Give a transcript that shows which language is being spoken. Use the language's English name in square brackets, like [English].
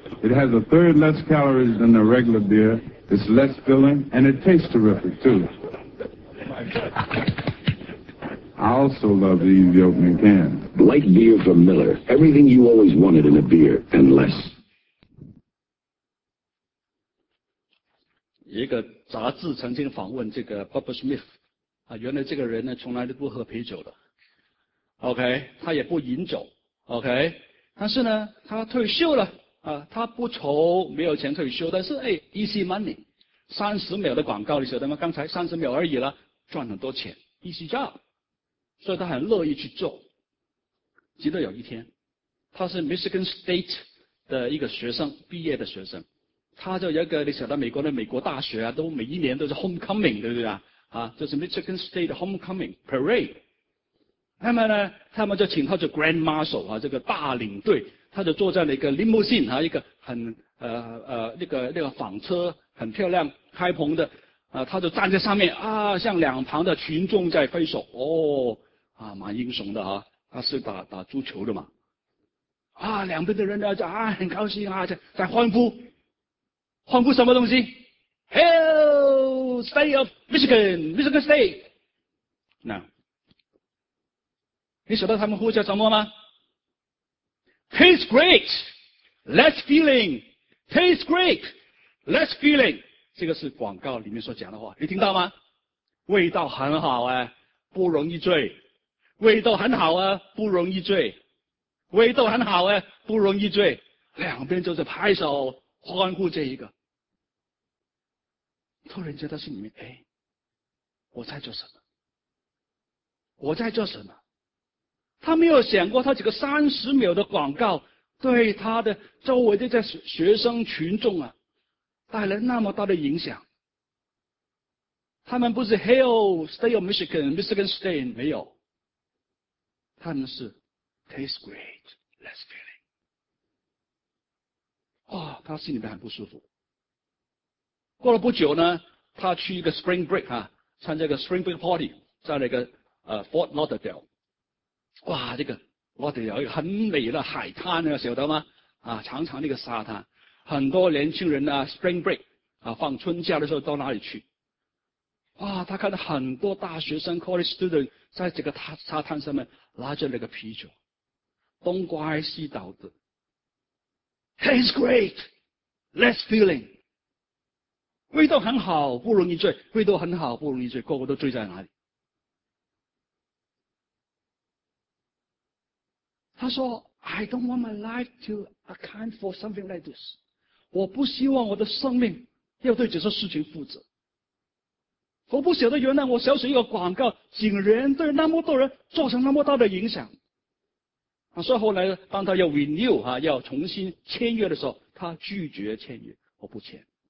[English] It has a third less calories than the regular beer. It's less filling, and it tastes terrific, too. I also love the easy opening can. Light beer from Miller. Everything you always wanted in a beer, and less. [Chinese] 一个杂志曾经访问这个 Bubba Smith，原来这个人呢从来都不喝啤酒的，OK，他也不饮酒，OK，但是呢他退休了他不愁没有钱退休，但是 [English] easy money， [Chinese] 30秒的广告你晓得吗？刚才30秒而已了，赚很多钱， [English] easy job， [Chinese] 所以他很乐意去做。直到有一天，他是 Michigan State 的一个学生，毕业的学生。他就有一个，你晓得美国的美国大学啊，都每一年都是 homecoming，对不对啊？就是 Michigan State homecoming parade。那么呢，他们就请他做 grand marshal 啊，这个大领队，他就坐在那个 limousine 一个很那个纺车，很漂亮开篷的，他就站在上面啊，向两旁的群众在挥手，蛮英雄的他是打足球的嘛，两边的人呢就很高兴啊，在欢呼。欢呼什么东西？ [English] Hail State of Michigan, Michigan State。 [Chinese] 那，你晓得他们呼叫什么吗？ [English] Taste great, less filling. Taste great, less filling。 [Chinese] 这个是广告里面所讲的话，你听到吗？味道很好啊，不容易醉。味道很好啊，不容易醉。味道很好啊，不容易醉。两边就是拍手欢呼这一个。突然间，他心里面，我在做什么？我在做什么？他没有想过，他这个30秒的广告，对他的周围的这学生群众啊，带来那么大的影响。他们不是 [English] Hail State of Michigan, Michigan State [Chinese] 没有，他们是 [English] Tastes great. Less filling. [Chinese] 哇、哦、他心里面很不舒服。过了不久呢他去一个 Spring Break, 啊参加一个 Spring Break Party, 在那个Fort Lauderdale。哇这个 Lauderdale 有一个很美的海滩啊晓得吗啊长长的一个沙滩。很多年轻人啊 ,Spring Break, 啊放春假的时候到哪里去。哇他看到很多大学生 college student 在这个沙滩上面拉着那个啤酒。东瓜西倒的。 [English] Tastes great, less feeling. [Chinese] 味道很好不容易醉味道很好不容易醉个个都醉在哪里。他说 [English] ,I don't want my life to account for something like this. [Chinese] 我不希望我的生命要对这些事情负责。我不晓得原来我小写一个广告竟然对那么多人造成那么大的影响。所以后来当他要 renew,、啊、要重新签约的时候他拒绝签约我不签。